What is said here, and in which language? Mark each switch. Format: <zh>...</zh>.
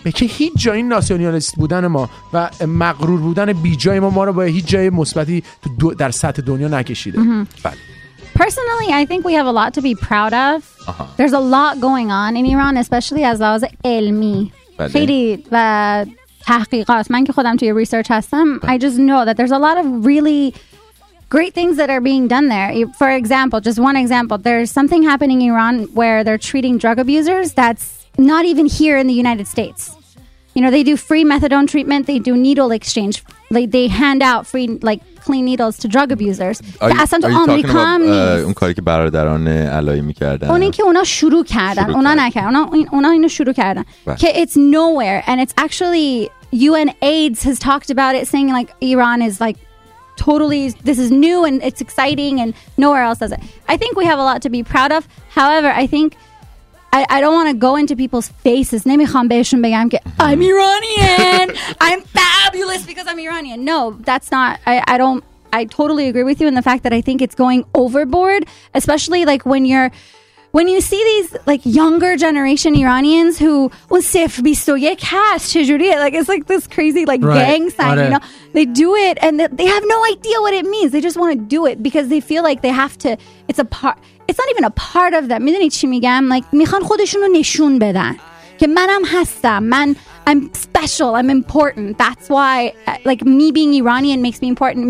<fa>به که هیچ جایی ناسیونالیست بودن ما و مغرور بودن بیجای ما رو با هیچ جای مثبتی در سطح دنیا نکشید.</fa> <en>Personally, I think we have a lot to be proud of. Uh-huh. There's a lot going on in Iran, especially as well as ilmi.</en> <fa>خیلی و تحقیقات. من که خودم توی ریسرچ هستم.</fa> <en>I just know that there's a lot of really great things that are being done there. For example, just one example, there's something happening in Iran where they're treating drug abusers that's not even here in the United States. You know, they do free methadone treatment, they do needle exchange. Like they hand out free like clean needles to drug abusers.</en> <fa>اون کاری که برادران علایی می‌کردن. اون اینکه اونا شروع کردن، اونا نکردن. اونا اینو شروع کردن. که</fa> <en>it's nowhere and it's actually UNAIDS has talked about it saying like Iran is like totally this is new and it's exciting and nowhere else does it. I think we have a lot to be proud of. However, I think I don't want to go into people's faces.</en> <fa>نمیخوام بهشون بگم که</fa> <en>I'm Iranian. I'm fabulous because I'm Iranian. No, that's not I totally agree with you in the fact that I think it's going overboard, especially like when you see these like younger generation Iranians who was sif 21</en> <fa>هست چجوریه,</fa> <en>like it's like this crazy like right. gang sign, right. you know. They do it and they have no idea what it means. They just want to do it because they feel like they have to. It's not even a part of them.</en> <fa>میدونی چی میگم؟</fa> <en>Like</en> <fa>میخوان خودشون رو نشون بدن که منم هستم. من</fa> <en>I'm special. I'm important. That's why like me being Iranian makes me important.</en>